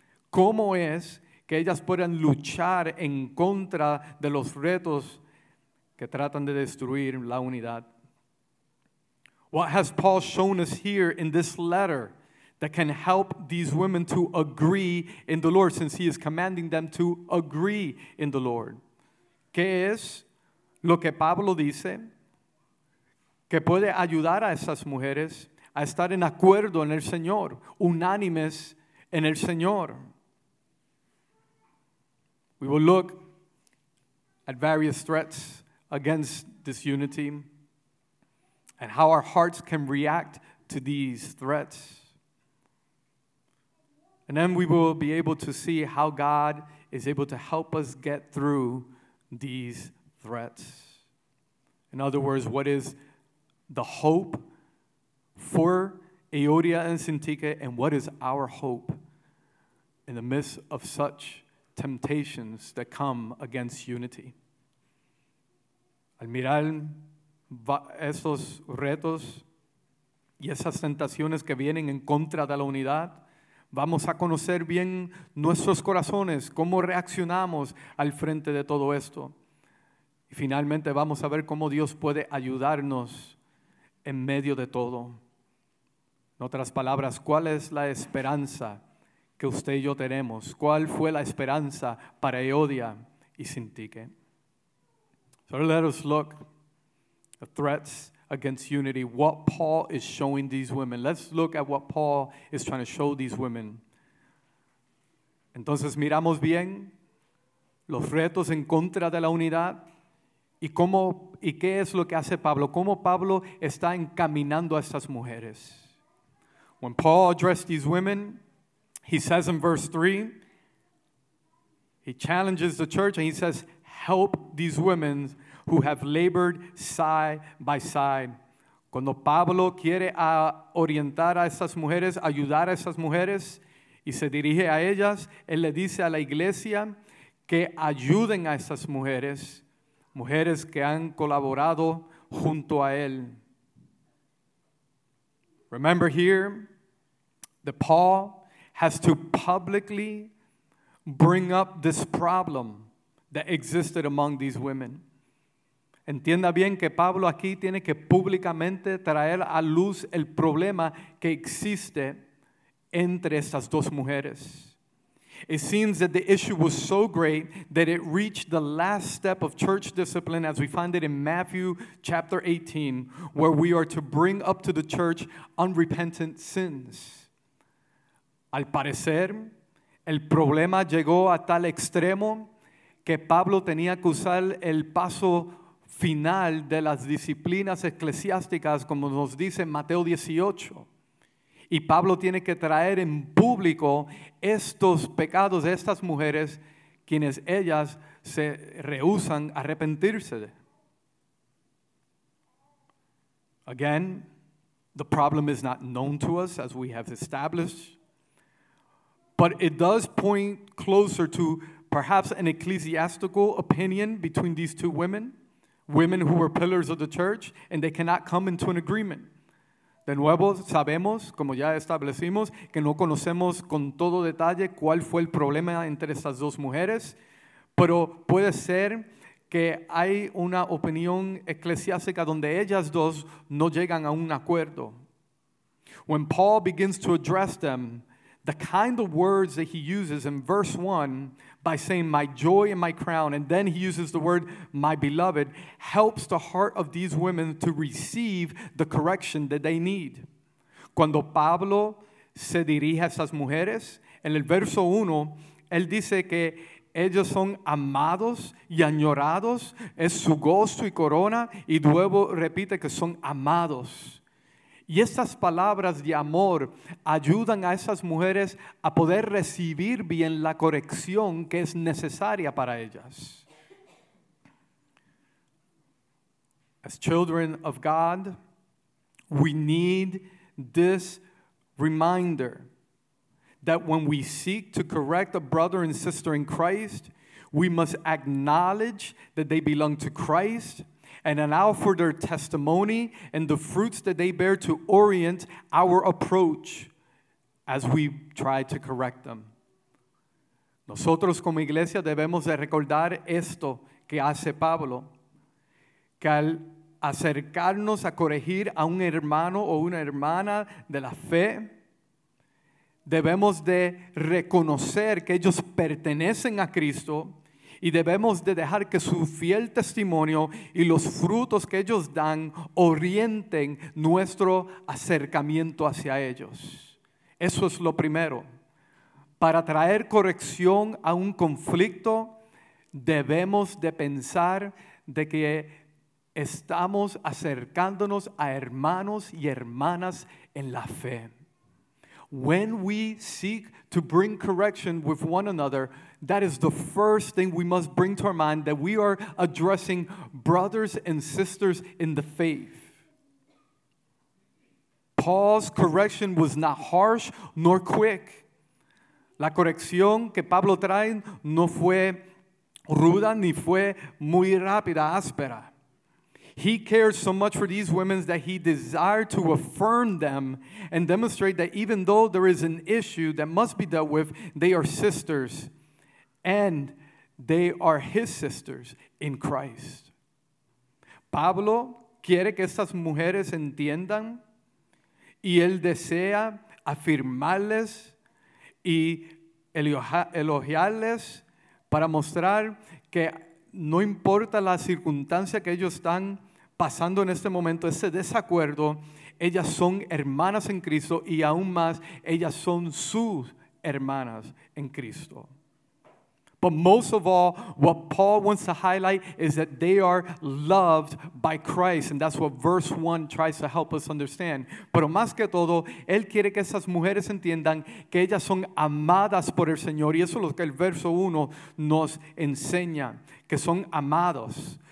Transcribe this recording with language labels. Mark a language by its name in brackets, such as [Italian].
[Spanish] ¿Cómo es que ellas puedan luchar en contra de los retos que tratan de destruir la unidad? [English] What has Paul shown us here in this letter that can help these women to agree in the Lord, since he is commanding them to agree in the Lord? [Spanish] ¿Qué es lo que Pablo dice que puede ayudar a esas mujeres a estar en acuerdo en el Señor, unánimes en el Señor? [English] We will look at various threats against this unity and how our hearts can react to these threats. And then we will be able to see how God is able to help us get through these threats. In other words, what is the hope for Euodia and Syntyche, and what is our hope in the midst of such temptations that come against unity? [Spanish] Al mirar esos retos y esas tentaciones que vienen en contra de la unidad, vamos a conocer bien nuestros corazones, cómo reaccionamos al frente de todo esto. Y finalmente vamos a ver cómo Dios puede ayudarnos en medio de todo. En otras palabras, ¿cuál es la esperanza que usted y yo tenemos? ¿Cuál fue la esperanza para Eodia y Sintique? [English] So let us look at threats against unity. What Paul is showing these women. Let's look at what Paul is trying to show these women. [Spanish] Entonces miramos bien los retos en contra de la unidad. ¿Y qué es lo que hace Pablo? ¿Cómo Pablo está encaminando a estas mujeres? [English] When Paul addressed these women, he says in verse 3, he challenges the church and he says, help these women who have labored side by side. [Spanish] Cuando Pablo quiere orientar a estas mujeres, ayudar a estas mujeres, y se dirige a ellas, él le dice a la iglesia que ayuden a estas mujeres, mujeres que han colaborado junto a él. [English] Remember here that Paul has to publicly bring up this problem that existed among these women. [Spanish] Entienda bien que Pablo aquí tiene que públicamente traer a luz el problema que existe entre estas dos mujeres. [English] It seems that the issue was so great that it reached the last step of church discipline, as we find it in Matthew chapter 18, where we are to bring up to the church unrepentant sins. [Spanish] Al parecer, el problema llegó a tal extremo que Pablo tenía que usar el paso final de las disciplinas eclesiásticas, como nos dice Mateo 18. Y Pablo tiene que traer en público estos pecados de estas mujeres, quienes ellas se rehúsan a arrepentirse. [English] Again, the problem is not known to us, as we have established. But it does point closer to perhaps an ecclesiastical opinion between these two women, women who were pillars of the church, and they cannot come into an agreement. [Spanish] De nuevo, sabemos, como ya establecimos, que no conocemos con todo detalle cuál fue el problema entre estas dos mujeres, pero puede ser que hay una opinión eclesiástica donde ellas dos no llegan a un acuerdo. [English] When Paul begins to address them, the kind of words that he uses in verse 1 by saying, my joy and my crown, and then he uses the word, my beloved, helps the heart of these women to receive the correction that they need. [Spanish] Cuando Pablo se dirige a esas mujeres, en el verso 1, él dice que ellos son amados y añorados, es su gozo y corona, y luego repite que son amados. Y estas palabras de amor ayudan a esas mujeres a poder recibir bien la corrección que es necesaria para ellas. [English] As children of God, we need this reminder that when we seek to correct a brother and sister in Christ, we must acknowledge that they belong to Christ and allow for their testimony and the fruits that they bear to orient our approach as we try to correct them. [Spanish] Nosotros como iglesia debemos de recordar esto que hace Pablo, que al acercarnos a corregir a un hermano o una hermana de la fe, debemos de reconocer que ellos pertenecen a Cristo. Y debemos de dejar que su fiel testimonio y los frutos que ellos dan orienten nuestro acercamiento hacia ellos. Eso es lo primero. Para traer corrección a un conflicto, debemos de pensar de que estamos acercándonos a hermanos y hermanas en la fe. [English] When we seek to bring correction with one another, that is the first thing we must bring to our mind, that we are addressing brothers and sisters in the faith. Paul's correction was not harsh nor quick. [Spanish] La corrección que Pablo trae no fue ruda ni fue muy rápida, áspera. [English] He cares so much for these women that he desired to affirm them and demonstrate that even though there is an issue that must be dealt with, they are sisters and they are his sisters in Christ. [Spanish] Pablo quiere que estas mujeres entiendan y él desea afirmarles y elogiarles para mostrar que no importa la circunstancia que ellos están pasando en este momento, ese desacuerdo, ellas son hermanas en Cristo y aún más, ellas son sus hermanas en Cristo. [English] But most of all, what Paul wants to highlight is that they are loved by Christ. And that's what verse 1 tries to help us understand. [Spanish] Pero más que todo, él quiere que esas mujeres entiendan que ellas son amadas por el Señor. Y eso es lo que el verso 1 nos enseña, que son amados.